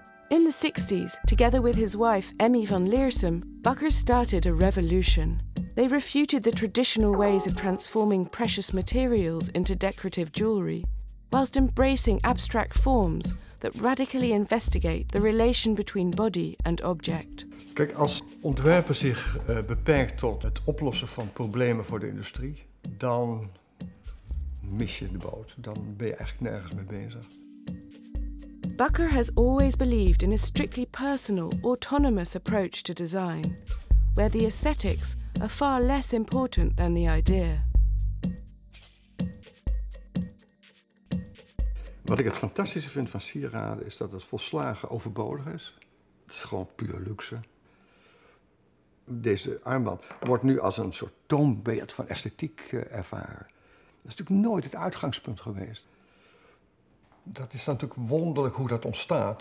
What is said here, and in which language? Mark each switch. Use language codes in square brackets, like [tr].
[en] In the 60s, together with his wife Emmy van Leersum, Bakker started a revolution. They refuted the traditional ways of transforming precious materials into decorative jewellery, whilst embracing abstract forms that radically investigate the relation between body and object. [nl] Kijk, als ontwerpen zich beperkt tot het oplossen van problemen voor de industrie, dan mis je de boot. Dan ben je eigenlijk nergens mee bezig. [en] Bakker has always believed in a strictly personal, autonomous approach to design, where the aesthetics are far less important than the idea. [nl] Wat ik het fantastische vind van sieraden is dat het volslagen overbodig is. Het is gewoon puur luxe. Deze armband wordt nu als een soort toonbeeld van esthetiek ervaren. Dat is natuurlijk nooit het uitgangspunt geweest. Dat is dan natuurlijk wonderlijk hoe dat ontstaat.